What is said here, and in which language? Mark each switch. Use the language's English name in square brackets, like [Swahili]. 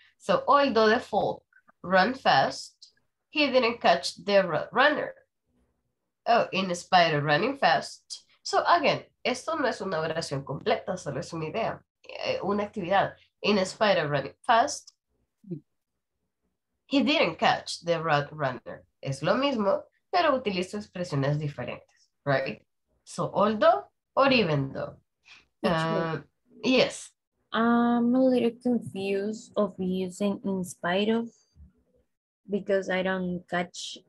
[English] So although the folk run fast, he didn't catch the runner. Oh, in spite of running fast. So again, [Spanish] esto no es una oración completa, solo es una idea, una actividad. [English] In spite of running fast, he didn't catch the road runner. [Spanish] Es lo mismo, pero utilizo expresiones diferentes, [English] right? So, although or even though. Yes. I'm a little confused of using in spite of, because I don't catch